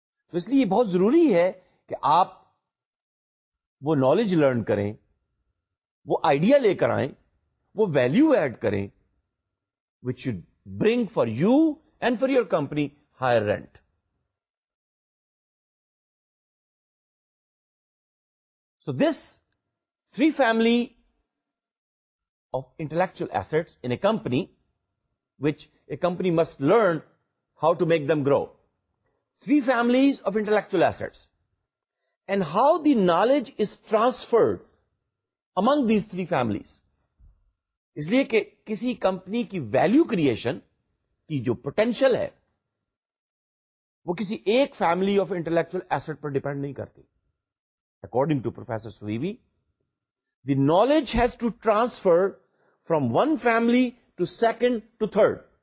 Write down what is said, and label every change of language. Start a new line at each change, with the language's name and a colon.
Urdu: تو اس لیے بہت ضروری ہے کہ آپ وہ نالج لرن کریں, وہ آئیڈیا لے کر آئیں, وہ ویلیو ایڈ کریں
English: Which should bring for you and for your company higher rent. So this three family of intellectual assets in a company, which a company must learn how to make them grow. Three families of intellectual assets and how the knowledge is transferred among these three families.
Urdu: اس لیے کہ کسی company کی value creation کی جو potential ہے وہ کسی ایک family of intellectual asset per depend نہیں کرتی.
English: According to Professor Suvi, the knowledge has to transfer from one family to second to third.